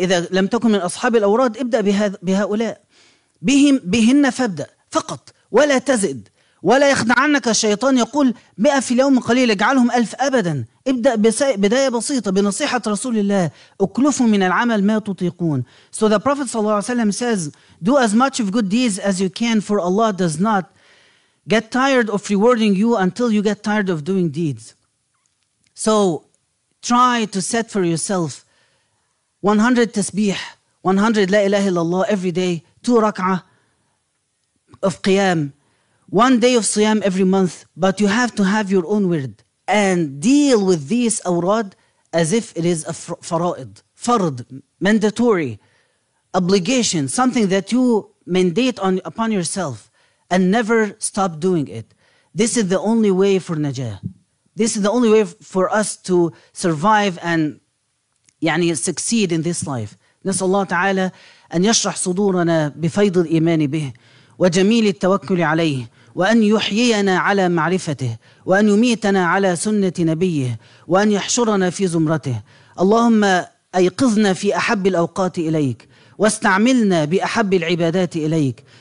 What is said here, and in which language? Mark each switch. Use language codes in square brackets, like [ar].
[ar] إذا لم تكن من أصحاب الأوراد ابدأ بهؤلاء، بهن فابدأ فقط ولا تزد، ولا يخدعنك الشيطان يقول 100 في اليوم قليل اجعلهم 1000 أبدا. ابدأ بداية بسيطة بنصيحة رسول الله أكلفوا من العمل ما تطيقون. [en] So the Prophet [ar] صلى الله عليه وسلم [en] says do as much of good deeds as you can, for Allah does not get tired of rewarding you until you get tired of doing deeds. So try to set for yourself 100 تسبيح، 100 [ar] لا إله إلا الله [en] every day، 2 ركعة of قيام، 1 day of صيام every month. But you have to have your own word and deal with these awrad as if it is a faraid, fard, mandatory obligation, something that you mandate on upon yourself and never stop doing it. This is the only way for najah. This is the only way for us to survive and يعني succeed in this life. [ar] نسأل الله تعالى أن يشرح صدورنا بفيض الإيمان به وجميل التوكل عليه، وأن يحيينا على معرفته، وأن يميتنا على سنة نبيه، وأن يحشرنا في زمرته. اللهم أيقظنا في أحب الأوقات إليك، واستعملنا بأحب العبادات إليك.